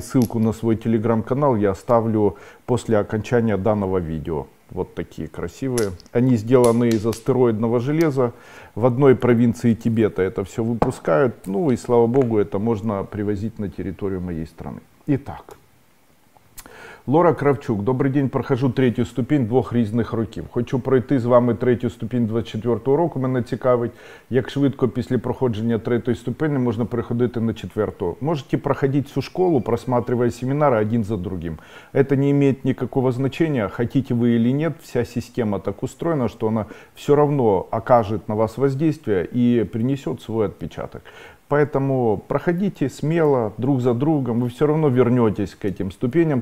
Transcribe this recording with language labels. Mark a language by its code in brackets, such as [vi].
[ru] Ссылку на свой телеграм-канал я оставлю после окончания данного видео. Вот такие красивые. Они сделаны из астероидного железа. В одной провинции Тибета это все выпускают. Ну и слава богу, это можно привозить на территорию моей страны. Итак. Лора Кравчук. Добрый день. [uk] Прохожу третью ступень двох різних років. Хочу пройти з вами третью ступень 24-го року. Мене цікавить, як швидко після проходження третьої ступені можна переходити на четверту. [ru] Можете проходить всю школу, просматривая семинары один за другим. Это не имеет никакого значения, хотите вы или нет. Вся система так устроена, что она все равно окажет на вас воздействие и принесет свой отпечаток. Поэтому проходите смело, друг за другом, вы все равно вернетесь к этим ступеням.